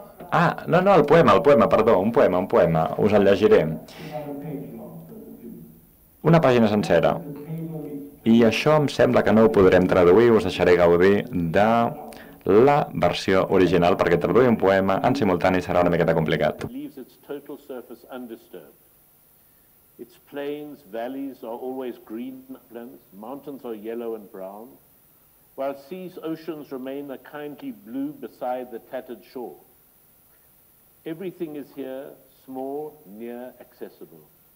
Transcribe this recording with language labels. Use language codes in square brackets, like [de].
[ca] Ah, no, no, el poema, perdó, un poema, us el llegiré. Una pàgina sencera. I això em sembla que no ho podrem traduir, us deixaré gaudir de la versió original, perquè traduir un poema en simultani serà una miqueta complicat. [en] Leaves its total surface undisturbed. Its plains, valleys are always green, mountains are yellow and brown. While seas, oceans remain a kindly blue beside the tattered shore. Everything is here, small, near, accessible.